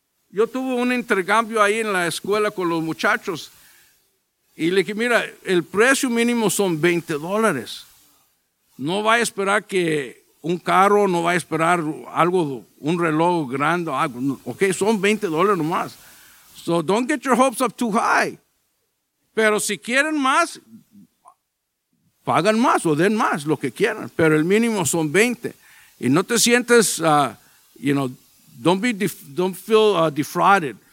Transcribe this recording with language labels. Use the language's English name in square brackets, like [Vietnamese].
[Spanish] Yo tuve un intercambio ahí en la escuela con los muchachos y le dije, mira, el precio mínimo son $20. No va a esperar que un carro, no va a esperar algo, un reloj grande, algo. Ok, son $20 nomás. [English] So don't get your hopes up too high. [Spanish] Pero si quieren más, pagan más o den más, lo que quieran. Pero el mínimo son 20. Y no te sientes, [English] you know, don't feel defrauded.